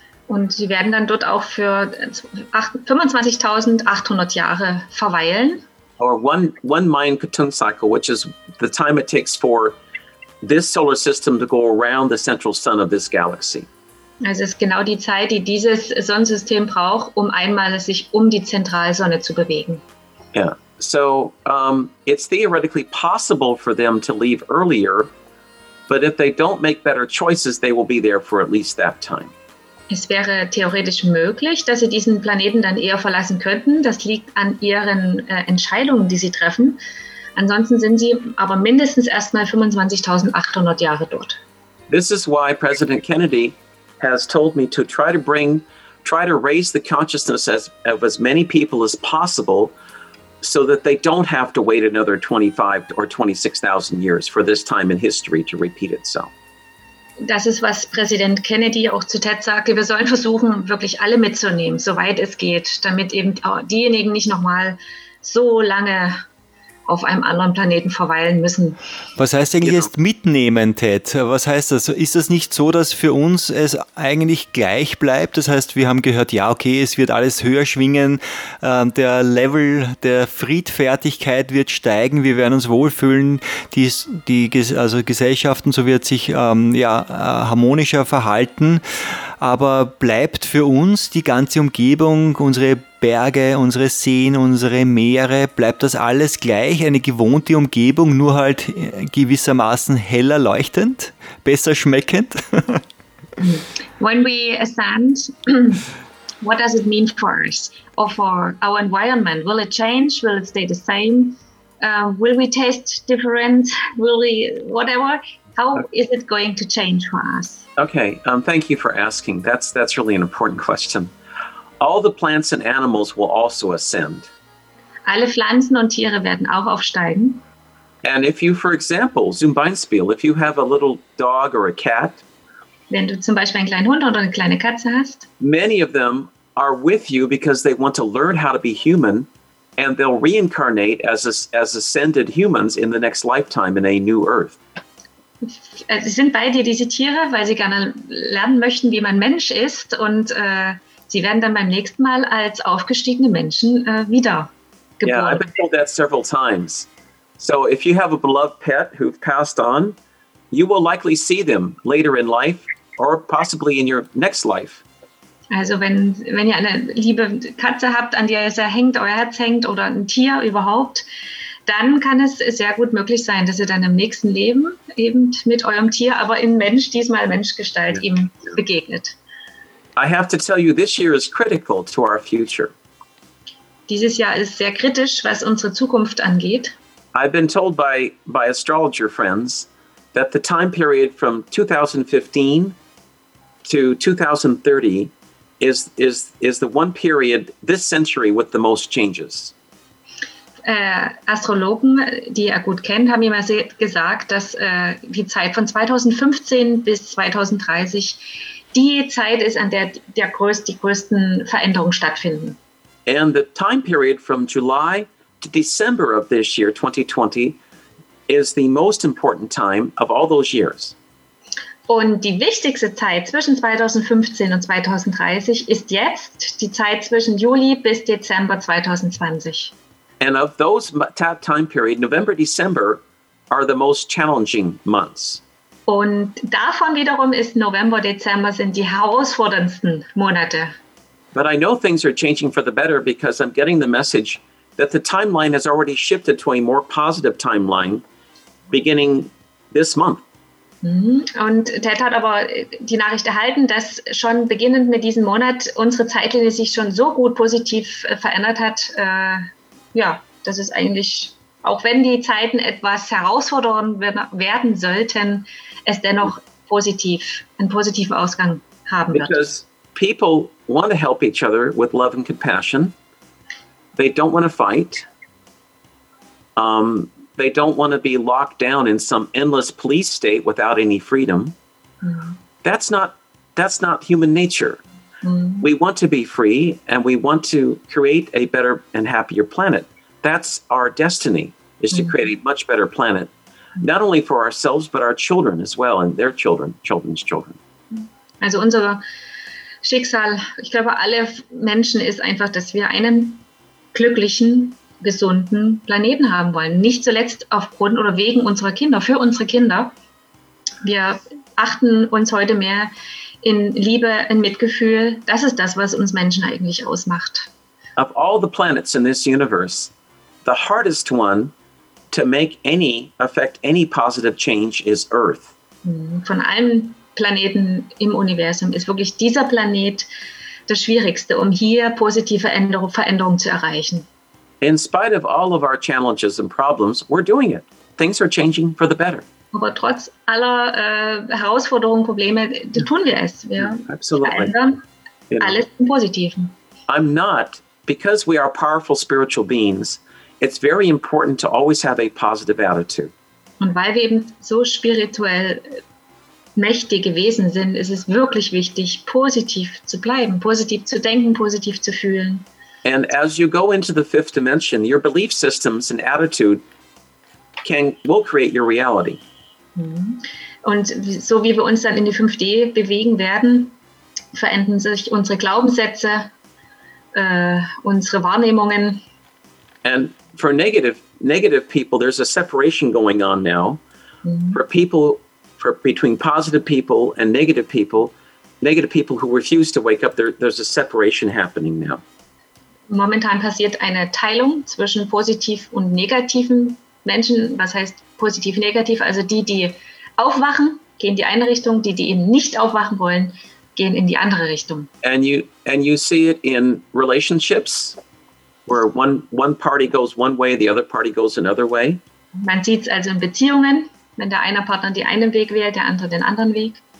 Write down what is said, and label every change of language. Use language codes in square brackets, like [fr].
[de] Und sie werden dann dort auch für 25,800 Jahre verweilen. [en] Or one Mayan Ketun cycle, which is the time it takes for this solar system to go around the central sun of this galaxy. [de] Also es ist genau die Zeit, die dieses Sonnensystem braucht, um einmal sich um die Zentralsonne zu bewegen. [en] Yeah. So it's theoretically possible for them to leave earlier, but if they don't make better choices, they will be there for at least that time. [de] Es wäre theoretisch möglich, dass sie diesen Planeten dann eher verlassen könnten. Das liegt an ihren Entscheidungen, die sie treffen. Ansonsten sind sie aber mindestens erstmal 25.800 Jahre dort. [en] This is why President Kennedy has told me to try to raise the consciousness of as many people as possible, so that they don't have to wait another 25 or 26,000 years for this time in history to repeat itself. [de] Das ist, was Präsident Kennedy auch zu Ted sagte. Wir sollen versuchen, wirklich alle mitzunehmen, soweit es geht, damit eben diejenigen nicht nochmal so lange auf einem anderen Planeten verweilen müssen. Was heißt eigentlich jetzt mitnehmen, Ted? Was heißt das? Ist das nicht so, dass für uns es eigentlich gleich bleibt? Das heißt, wir haben gehört, ja, okay, es wird alles höher schwingen, der Level der Friedfertigkeit wird steigen, wir werden uns wohlfühlen, die Gesellschaften, so wird sich harmonischer verhalten. Aber bleibt für uns die ganze Umgebung, unsere Berge, unsere Seen, unsere Meere, bleibt das alles gleich, eine gewohnte Umgebung, nur halt gewissermaßen heller leuchtend, besser schmeckend? [en] When we ascend, what does it mean for us or for our environment? Will it change? Will it stay the same? Will we taste different? Will we whatever? How is it going to change for us? Okay, thank you for asking. That's really an important question. All the plants and animals will also ascend. [de] Alle Pflanzen und Tiere werden auch aufsteigen. [en] And if you, for example, [de] zum Beispiel, [en] if you have a little dog or a cat, [de] wenn du zum Beispiel einen kleinen Hund oder eine kleine Katze hast, [en] many of them are with you because they want to learn how to be human, and they'll reincarnate as ascended humans in the next lifetime in a new earth. [de] Sie sind bei dir, diese Tiere, weil sie gerne lernen möchten, wie man Mensch ist, und sie werden dann beim nächsten Mal als aufgestiegene Menschen wieder geboren. [en] Yeah, I've been told that several times. So if you have a beloved pet who've passed on, you will likely see them later in life or possibly in your next life. [de] Also wenn ihr eine liebe Katze habt, an der ihr sehr hängt, euer Herz hängt, oder ein Tier überhaupt, dann kann es sehr gut möglich sein, dass ihr dann im nächsten Leben eben mit eurem Tier, aber in Mensch, diesmal Menschgestalt, ihm begegnet. [en] I have to tell you, this year is critical to our future. [de] Dieses Jahr ist sehr kritisch, was unsere Zukunft angeht. [en] I've been told by astrologer friends that the time period from 2015 to 2030 is the one period this century with the most changes. [de] Astrologen, die er gut kennt, haben ihm gesagt, dass die Zeit von 2015 bis 2030 die Zeit ist, an der die größten Veränderungen stattfinden. [en] And the time period from July to December of this year, 2020, is the most important time of all those years. [de] Und die wichtigste Zeit zwischen 2015 und 2030 ist jetzt, die Zeit zwischen Juli bis Dezember 2020. [en] And of those time period, November, December are the most challenging months. [de] Und davon wiederum ist November, Dezember sind die herausforderndsten Monate. [en] But I know things are changing for the better because I'm getting the message that the timeline has already shifted to a more positive timeline beginning this month. [de] Und Ted hat aber die Nachricht erhalten, dass schon beginnend mit diesem Monat unsere Zeitlinie sich schon so gut positiv verändert hat. Ja, das ist eigentlich, auch wenn die Zeiten etwas herausfordernd werden sollten, es dennoch positiv, einen positiven Ausgang haben wird. [en] Because people want to help each other with love and compassion. They don't want to fight. They don't want to be locked down in some endless police state without any freedom. Mm-hmm. That's not human nature. Mm-hmm. We want to be free and we want to create a better and happier planet. That's our destiny, is to create a much better planet, not only for ourselves, but our children as well and their children, children's children. [de] Also unser Schicksal, ich glaube, alle Menschen ist einfach, dass wir einen glücklichen, gesunden Planeten haben wollen. Nicht zuletzt aufgrund oder wegen unserer Kinder, für unsere Kinder. Wir achten uns heute mehr in Liebe, in Mitgefühl. Das ist das, was uns Menschen eigentlich ausmacht. [en] Of all the planets in this universe, the hardest one to make any effect, any positive change is Earth. [de] Von allen Planeten im Universum ist wirklich dieser Planet das Schwierigste, um hier positive Veränderungen zu erreichen. [en] In spite of all of our challenges and problems, we're doing it. Things are changing for the better. [de] Aber trotz aller Herausforderungen, Probleme, tun wir es. Wir verändern alles im Positiven. [en] I'm not, because we are powerful spiritual beings, it's very important to always have a positive attitude. [de] Und weil wir eben so spirituell mächtige Wesen sind, ist es wirklich wichtig, positiv zu bleiben, positiv zu denken, positiv zu fühlen. [en] And as you go into the fifth dimension, your belief systems and attitude will create your reality. [de] Und so wie wir uns dann in die 5D bewegen werden, verändern sich unsere Glaubenssätze, unsere Wahrnehmungen. [en] And for negative people, there's a separation going on now. For between positive people and negative people who refuse to wake up, there's a separation happening now. [de] Momentan passiert eine Teilung zwischen positiv und negativen Menschen. Was heißt positiv, negativ? Also die, die aufwachen, gehen die eine Richtung. Die eben nicht aufwachen wollen, gehen in die andere Richtung. [en] And you see it in relationships, where one party goes one way, the other party goes another way. [de] Man sieht es also in Beziehungen, wenn der eine Partner den einen Weg wählt, der andere den anderen Weg.